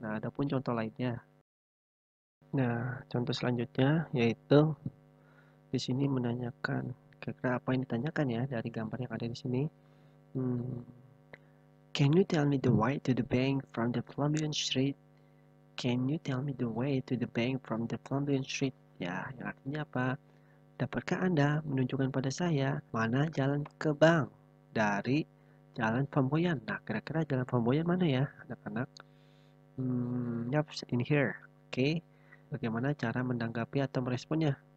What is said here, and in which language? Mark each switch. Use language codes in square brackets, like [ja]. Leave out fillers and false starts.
[id] Nah, ada pun contoh lainnya. Nah, contoh selanjutnya yaitu di sini menanyakan kira-kira apa yang ditanyakan ya dari gambar yang ada di sini. [en] Can you tell me the way to the bank from the Plumbion Street? Can you tell me the way to the bank from the Plumbion Street? [id] Ya, yang artinya apa? Dapatkah Anda menunjukkan pada saya mana jalan ke bank dari Jalan Pamboyan? Nah, kira-kira Jalan Pamboyan mana ya, anak-anak? [en] Yep, in here. Okay. [id] Bagaimana cara menanggapi atau meresponnya?